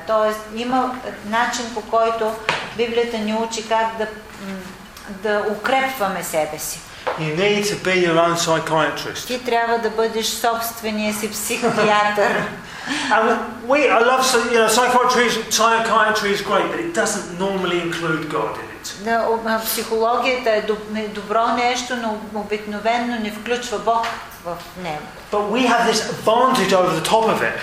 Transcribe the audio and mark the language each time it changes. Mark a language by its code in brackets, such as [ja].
[bg] Тоест има начин по който Библията ни учи как да укрепваме себе си. [en] You need to be your own psychiatrist. [bg] Ти трябва да бъдеш собствения си психиатър. [en] I love, you know, psychiatry is great, but it doesn't normally include God in it. [bg] Да, психологията е добро нещо, но обикновено не включва Бог в него. [en] But we have this advantage over the top of it.